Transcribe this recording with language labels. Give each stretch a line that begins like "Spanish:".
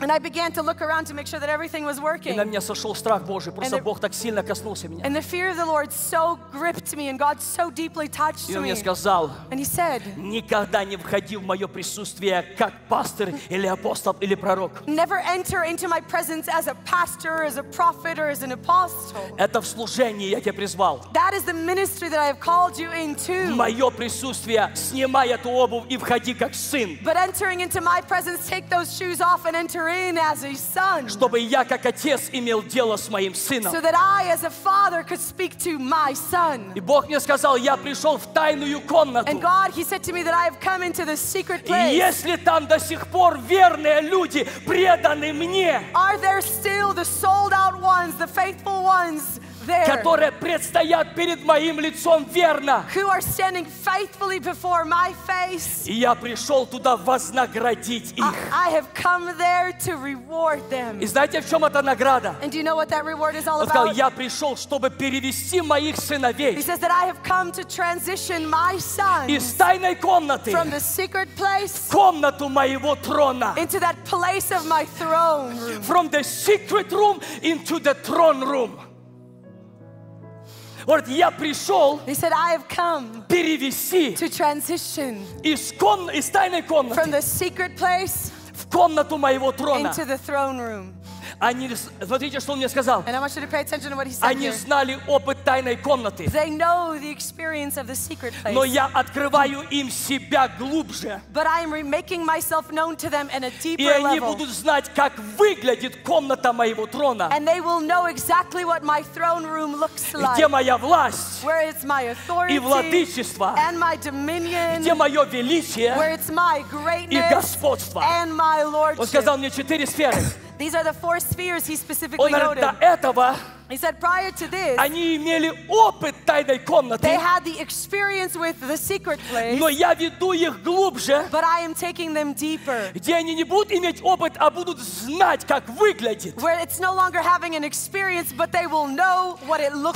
English: And I began to look around to make sure that everything was working.
Russian: И на меня сошел страх Божий, просто Бог так сильно коснулся меня.
English: And the fear of the Lord so gripped me, and God so deeply touched me.
Russian: И он мне сказал,
English: and he said,
Russian: никогда не входи в мое присутствие как пастор или апостол или пророк.
English: Never enter into my presence as a pastor, as a prophet, or as an apostle.
Russian: Это в служении я тебя призвал.
English: That is the ministry that I have called you into.
Russian: В мое присутствие снимай эту обувь и входи как сын.
English: But entering into my presence, take those shoes off and enter in as a son.
Russian: Чтобы я как отец имел дело с моим сыном.
English: So that I, as a father, could speak to my son.
Russian: И Бог мне сказал, я пришел в тайную комнату.
English: And God, he said to me that I have come into the secret place.
Russian: И если там до сих пор верные люди, преданные мне,
English: are there still the sold out ones, the faithful ones there?
Russian: Которые предстоят перед моим лицом верно.
English: Who are standing faithfully before my face?
Russian: И я пришел туда вознаградить их.
English: I have come there to reward them.
Russian: И знаете, в чем эта награда?
English: And do you know what that reward is all about?
Russian: Он сказал, я пришел, чтобы перевести моих сыновей.
English: He says that I have come to transition my sons.
Russian: Из тайной комнаты.
English: From the secret place.
Russian: В комнату моего трона.
English: Into that place of my throne room. From the secret room into the throne room.
Russian: Говорит, я пришел.
English: He said, I have come.
Russian: Перевести.
English: To transition.
Russian: Из тайной комнаты.
English: From the secret place.
Russian: В комнату моего трона.
English: Into the throne room.
Russian: Они, смотрите, что он мне сказал.
English: And I want you to pay attention to what he said.
Russian: Они знали опыт тайной комнаты.
English: They know the experience of the secret place.
Russian: Но я открываю им себя глубже.
English: But I am making myself known to them in a deeper level.
Russian: И они будут знать, как выглядит комната моего трона.
English: And they will know exactly what my throne room looks like.
Russian: Где моя власть?
English: Where is my authority?
Russian: И владычество.
English: And my dominion.
Russian: Где мое величие?
English: Where it's my greatness.
Russian: И господство.
English: And my lordship.
Russian: Он сказал мне четыре сферы.
English: These are the four spheres he specifically
Russian: говорит,
English: noted.
Russian: До этого,
English: He said prior to this,
Russian: они имели опыт тайной комнаты.
English: They had the experience with the secret place.
Russian: Но я веду их глубже.
English: But I am taking them deeper.
Russian: Где они не будут иметь опыт, а будут знать, как выглядит.
English: Where it's no longer having an experience, but they will know what it looks